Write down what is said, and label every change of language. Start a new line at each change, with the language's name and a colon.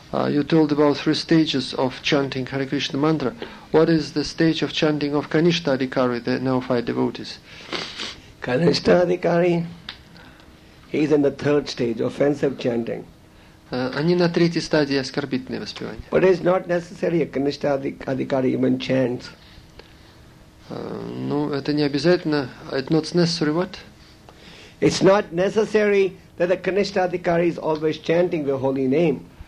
English: You told about 3 stages of chanting Hare Krishna mantra. What is the stage of chanting of Kanishtha Adhikari, the neophyte devotees? Kanishtha Adhikari, He is in the third stage, offensive chanting.
Russian: Они на третьей стадии оскорбительное воспевание.
English: But it's not necessary a Kanishtha Adhikari even chants.
Russian: Ну, это не обязательно.
English: It's not necessary what? It's not necessary that the Kanishtha Adhikari is always chanting the holy name.